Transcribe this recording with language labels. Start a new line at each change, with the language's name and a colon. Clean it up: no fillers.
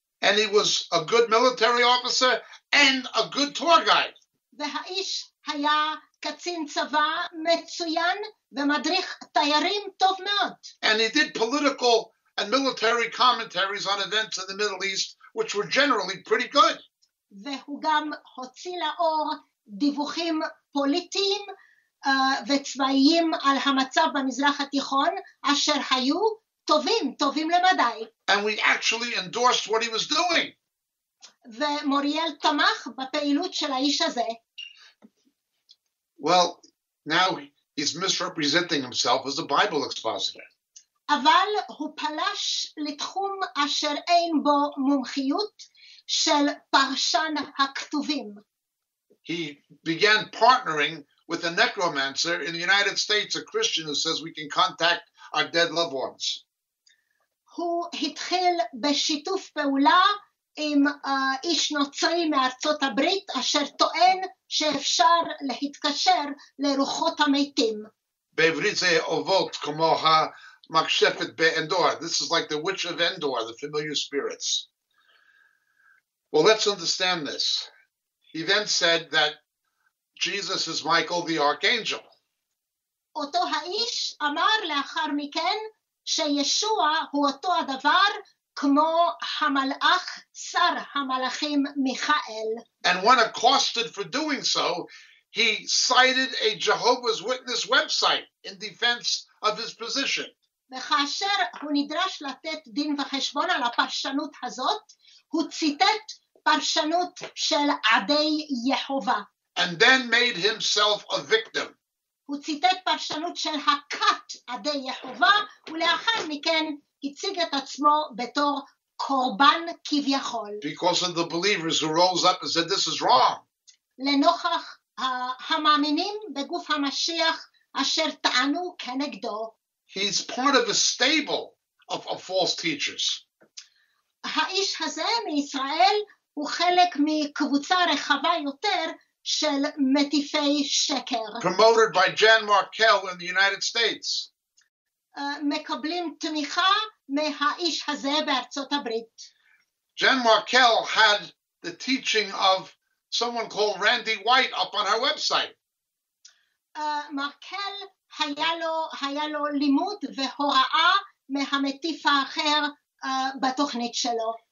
English: And he was a good military officer and a good tour guide.
Hebrew: והאיש היה קצין צבא מצוין ומדריך תיירים טוב מאוד.
English: And he did political and military commentaries on events in the Middle East, which were generally pretty good.
Hebrew: והוא גם הוציא לאור דיווחים פוליטיים וצבאיים על המצב במזרח התיכון אשר היו טובים, טובים למדי.
English: And we actually endorsed what he was doing.
Hebrew: ומוריאל תמך בפעילות של האיש הזה.
English: Well, now he's misrepresenting himself as a Bible expositor.
Hebrew: אבל הוא פלש לתחום אשר אין בו מומחיות של פרשן הכתובים.
English: He began partnering with a necromancer in the United States, a Christian who says we can contact our dead loved ones.
Hebrew: הוא התחיל בשיתוף פעולה עם איש נוצרי מארצות הברית אשר טוען שאפשר להתקשר לרוחות המתים. בעברית זה אובות כמו המקשפת באנדור.
English: This is like the witch of Endor, the familiar spirits. Well, let's understand this. He then said that Jesus is Michael the Archangel.
Hebrew: אותו האיש אמר לאחר מכן שישוע הוא אותו הדבר כמו המלאך שר המלאכים מיכאל.
English: And when accosted for doing so, he cited a Jehovah's Witness website in defense of his position.
Hebrew: וכאשר הוא נדרש לתת דין וחשבון על הפרשנות הזאת, הוא ציטט פרשנות של עדי יהובה.
English: And then made himself a victim.
Hebrew: הוא ציטט פרשנות של הקט עדי יהובה, ולאחר מכן הציג את עצמו בתור קורבן כביכול.
English: Because of the believers who rose up and said, this is wrong.
Hebrew: לנוכח המאמינים בגוף המשיח אשר טענו כנגדו.
English: He's part of a stable of false teachers.
Hebrew: האיש הזה מישראל הוא חלק מקבוצה רחבה יותר של מטיפי שקר.
English: Promoted by Jan Markell in the United States.
Hebrew: מקבלים תמיכה מהאיש הזה בארצות הברית.
English: Jan Markell had the teaching of someone called Randy White up on her website.
Hebrew: Markell היה לו לימוד והוראה מהמטיף האחר בתוכנית שלו.